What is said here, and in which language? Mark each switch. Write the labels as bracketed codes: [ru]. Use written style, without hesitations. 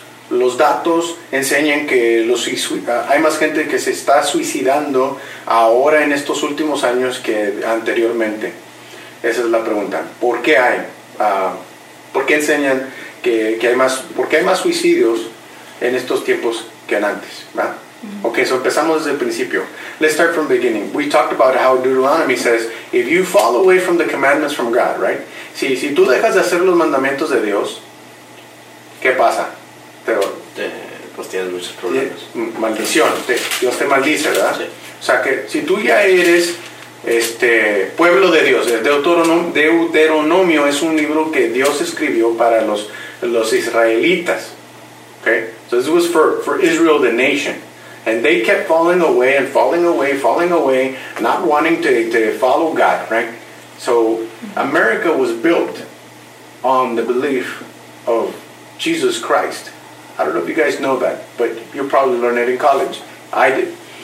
[es] Los datos enseñan que hay más gente que se está suicidando ahora en estos últimos años que anteriormente? Esa es la pregunta. ¿Por qué hay? ¿Por qué enseñan que hay más? ¿Por qué hay más suicidios en estos tiempos que antes? [en] ¿Verdad? Okay, so [es] empezamos desde el principio. [en] Let's start from the beginning. We talked about how Deuteronomy says, if you fall away from the commandments from God, right? [es] Si tú dejas de hacer los mandamientos de Dios, ¿qué pasa? Pues tienes muchos problemas. Maldición. Dios te maldice, ¿verdad? Sí. O sea que si tú ya eres pueblo de Dios, Deuteronomio es un libro que Dios escribió para los israelitas. [en] Okay? So this was for Israel, the nation. And they kept falling away and falling away, not wanting to follow God, right? So America was built on the belief of Jesus Christ. I don't know if you guys know that, but you probably learned it in college. I did.